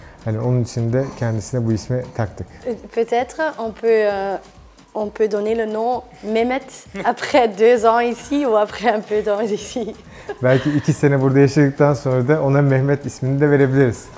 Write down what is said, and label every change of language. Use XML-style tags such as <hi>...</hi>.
<tr>Hani onun için de kendisine bu ismi taktık.</tr> <fr>Peut-être on peut donner le nom Mehmet après 2 ans ici ou après un peu d'années ici.</fr> <tr>Belki 2 sene burada yaşadıktan sonra da ona Mehmet ismini de verebiliriz.</tr>